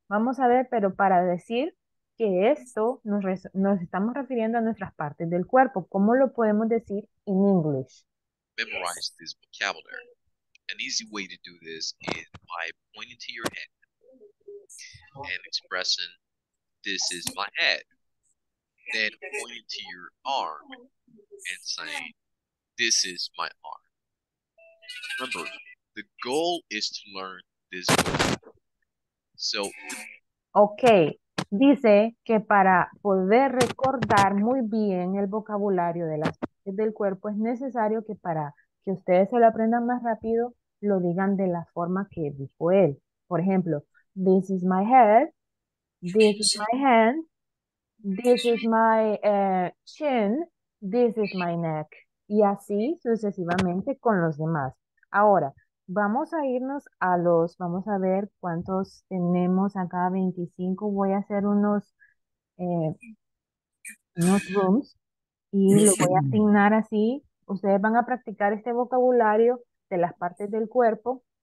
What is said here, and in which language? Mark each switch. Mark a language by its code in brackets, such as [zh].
[es] Vamos a ver, pero para decir que esto nos estamos refiriendo a nuestras partes del cuerpo. ¿Cómo lo podemos decir en English? [en] Memorize this vocabulary. An easy way to do this is by pointing to your head and expressing, this is my head. Then pointing to your arm and saying, this is my arm. Remember, the goal is to learn this word. So, [es] okay, dice que para poder recordar muy bien el vocabulario de las partes del cuerpo es necesario que para que ustedes se lo aprendan más rápido, lo digan de la forma que dijo él. Por ejemplo, [en] this is my head, this is my hand, this is my chin, this is my neck. [es] Y así sucesivamente con los demás. Ahora, vamos a irnos a los, vamos a ver cuántos tenemos acá, 25. Voy a hacer unos, unos rooms y lo voy a asignar así. Ustedes van a practicar este vocabulario de las partes del cuerpo.